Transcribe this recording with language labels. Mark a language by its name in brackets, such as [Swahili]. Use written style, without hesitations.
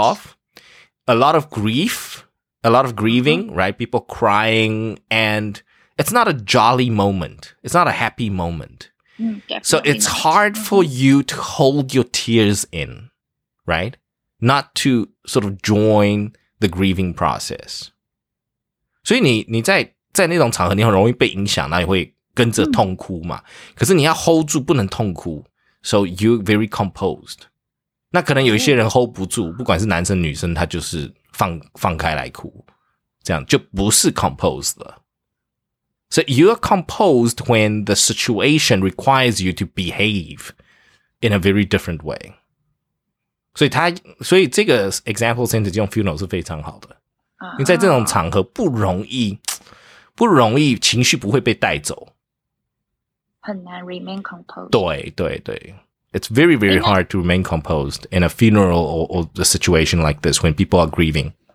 [English] off, a lot of grief, a lot of grieving, mm-hmm. right? People crying, and it's not a jolly moment. It's not a happy moment. So it's hard for you to hold your tears in, right? Not to sort of join. The grieving process. [Chinese] 所以你在那种场合，你很容易被影响，那你会跟着痛哭嘛。可是你要 hold 住，不能痛哭。 [English] So you're very composed. [Chinese] 那可能有一些人 hold 不住，不管是男生女生，他就是放开来哭，这样就不是 composed 了。 [English] So you are composed when the situation requires you to behave in a very different way. [Chinese] 所以这个 example sentence 用 funeral 是非常好的。 Uh-huh. 因为在这种场合不容易情绪不会被带走。很难 [English] remain composed. [Chinese] 对对对。 [English] It's very, very hard to remain composed in a funeral or a situation like this when people are grieving.